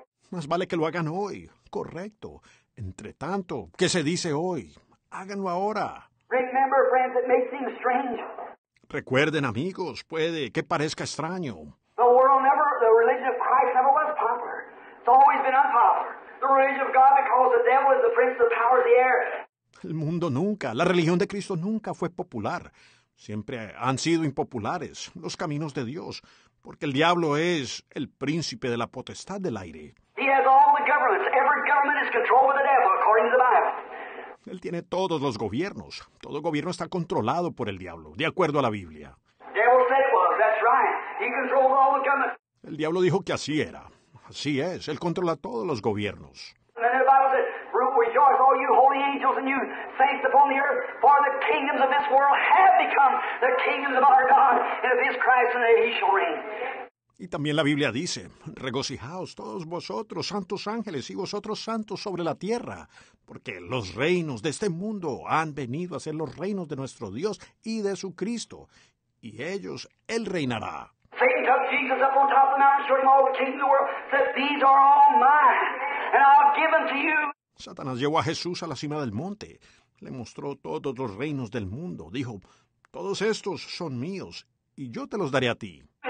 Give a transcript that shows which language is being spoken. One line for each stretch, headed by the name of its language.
Spanish: Más vale que lo hagan hoy. Correcto. Entre tanto, ¿qué se dice hoy? Háganlo ahora.
English: Remember, friends, it may seem strange.
Spanish: Recuerden, amigos, puede que parezca extraño.
English: The world never, the religion of Christ never was popular. It's always been unpopular. The religion of God because the devil is the prince of the power of the air.
Spanish: El mundo nunca, la religión de Cristo nunca fue popular. Siempre han sido impopulares los caminos de Dios, porque el diablo es el príncipe de la potestad del aire.
English: He has all the governments. Every government is controlled by the devil, according to the Bible.
Spanish: Él tiene todos los gobiernos. Todo gobierno está controlado por el diablo, de acuerdo a la Biblia.
English: The devil said it was. That's right. He controls all the governments.
Spanish: El diablo dijo que así era. Así es. Él controla todos los gobiernos.
English: And the Bible said, rejoice all you holy angels and you saints upon the earth, for the kingdoms of this world have become the kingdoms of our God and of his Christ, and he shall reign.
Spanish: Y también la Biblia dice, regocijaos todos vosotros, santos ángeles, y vosotros santos sobre la tierra, porque los reinos de este mundo han venido a ser los reinos de nuestro Dios y de su Cristo, y ellos, Él reinará.
English: Satan took Jesus up on top of the mountain, showed him all the kings of the world, said, these are all mine, and I'll give them to you.
Spanish: Satanás llevó a Jesús a la cima del monte, le mostró todos los reinos del mundo, dijo, todos estos son míos, y yo te los daré a ti.